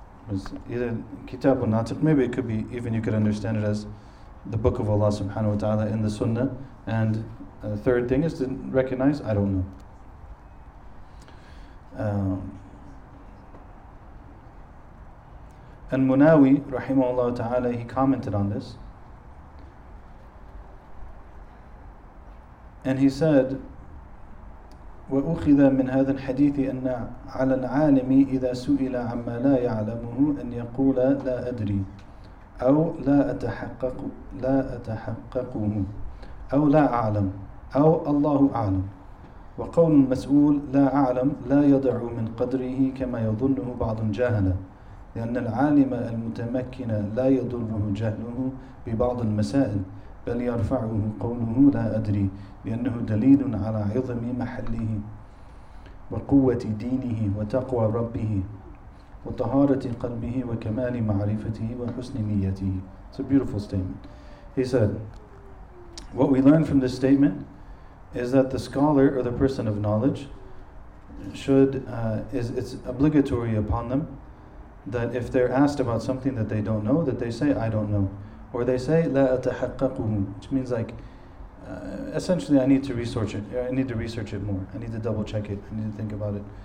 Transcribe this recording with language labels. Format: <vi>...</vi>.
<en>It's either kitab or natiq, maybe it could be, even you could understand it as the book of Allah subhanahu wa ta'ala in the sunnah. And the third thing is to recognize, I don't know. And Munawi, rahimahullah ta'ala, he commented on this. And he said,</en> <ar>وَأُخِذَ مِنْ هَذَا الْحَدِيثِ أَنَّ عَلَى الْعَالِمِ إِذَا سُئِلَ عَمَّا لَا يَعْلَمُهُ أَنْ يَقُولَ لَا أَدْرِي أَوْ لَا أَتَحَقَّقُ لَا أَتَحَقَّقُهُ أَوْ لَا أَعْلَمُ أَوْ اللَّهُ أَعْلَمُ وقول المسؤول لا أعلم لا يضع من قدره كما يظنه بعض جاهلا لأن العالم المتمكن لا يضره جهله ببعض المسائل بل يرفعه قوله لا أدري لأنه دليل على عظم محله وقوة دينه وتقوى ربه وطهارة قلبه وكمال معرفته وحسن نيته.</ar> <en>It's a beautiful statement. He said, what we learn from this statement is that the scholar or the person of knowledge it's obligatory upon them that if they're asked about something that they don't know, that they say, I don't know. Or they say,</en> <ar>لا أتحققه,</ar> <en>which means like, essentially I need to research it, I need to research it more, I need to double check it, I need to think about it.</en>